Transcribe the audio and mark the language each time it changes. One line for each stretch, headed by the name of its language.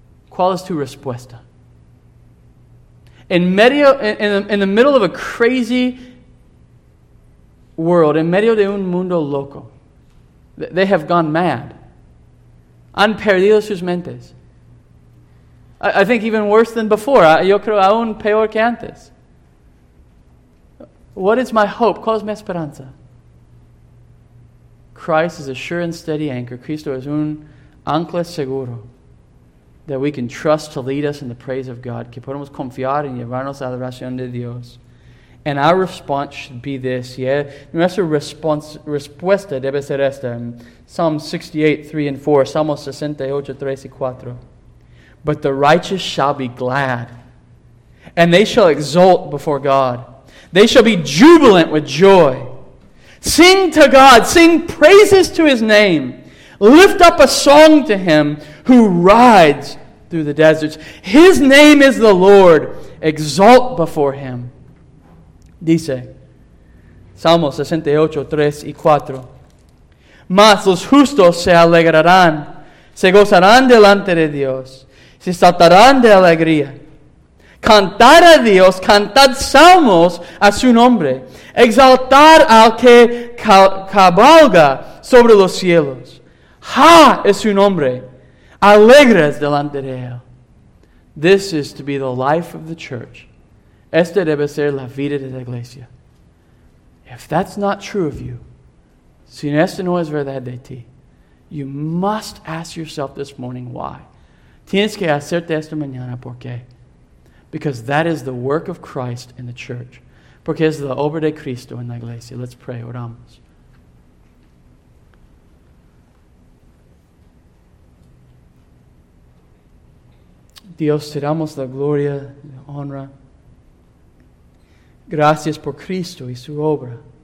Spanish: ¿Cuál es tu respuesta?
English: In the middle of a crazy world,
Spanish: en medio de un mundo loco,
English: they have gone mad.
Spanish: Han perdido sus mentes.
English: I think even worse than before.
Spanish: Yo creo aún peor que antes.
English: What is my hope?
Spanish: ¿Cuál es mi esperanza?
English: Christ is a sure and steady anchor.
Spanish: Cristo es un ancla seguro.
English: That we can trust to lead us in the praise of God.
Spanish: Que podemos confiar en llevarnos a la adoración de Dios.
English: And our response should be this. Yeah?
Spanish: Nuestra respuesta debe ser esta.
English: Psalm 68, 3 and 4.
Spanish: Salmo 68, 3 y 4.
English: But the righteous shall be glad. And they shall exult before God. They shall be jubilant with joy. Sing to God. Sing praises to His name. Lift up a song to Him who rides through the deserts. His name is the Lord. Exult before Him.
Spanish: Dice, Salmo 68, 3 y 4. Mas los justos se alegrarán, se gozarán delante de Dios, se saltarán de alegría. Cantad a Dios, cantad salmos a su nombre. Exaltad al que cabalga sobre los cielos. Ha es su nombre. Alegres delante de él.
English: This is to be the life of the church.
Spanish: Esta debe ser la vida de la iglesia.
English: If that's not true of you,
Spanish: si esto no es verdad de ti,
English: you must ask yourself this morning why.
Spanish: Tienes que hacerte esta mañana por qué.
English: Because that is the work of Christ in the church.
Spanish: Porque es la obra de Cristo en la iglesia.
English: Let's pray.
Spanish: Oramos. Dios, te damos la gloria, la honra. Gracias por Cristo y su obra.